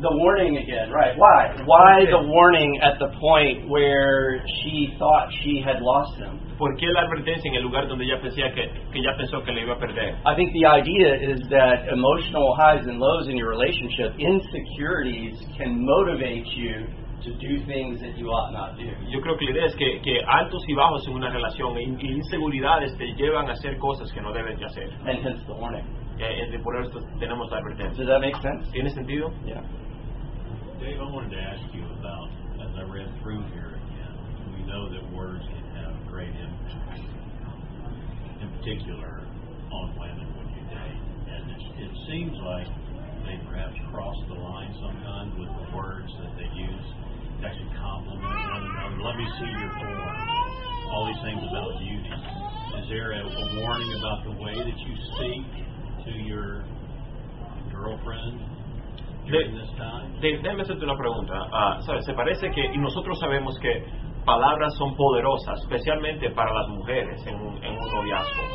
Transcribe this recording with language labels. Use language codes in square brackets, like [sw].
[en] The warning again, right. Why? Why the warning at the point where she thought she had lost him? [es] ¿Por qué la advertencia en el lugar donde ella pensaba que ya pensó que le iba a perder? [en] I think the idea is that emotional highs and lows in your relationship, insecurities can motivate you to do things that you ought not do. [es] Yo creo que la idea es que altos y bajos en una relación y inseguridades te llevan a hacer cosas que no debes de hacer. [en] And hence the warning. [es] Por esto tenemos la advertencia. [en] Does that make sense? [es] ¿Tiene sentido? [en] Yeah. Dave, I wanted to ask you about, as I read through here again, we know that words can have great impact, in particular on women when you date. And it seems like they perhaps cross the line sometimes with the words that they use that can compliment one another. Let me see your form. All these things about beauty. Is there a warning about the way that you speak to your girlfriend during this time? [es] Déjame hacerte una pregunta. ¿Sabes? Se parece que, y nosotros sabemos que palabras son poderosas, especialmente para las mujeres en un noviazgo.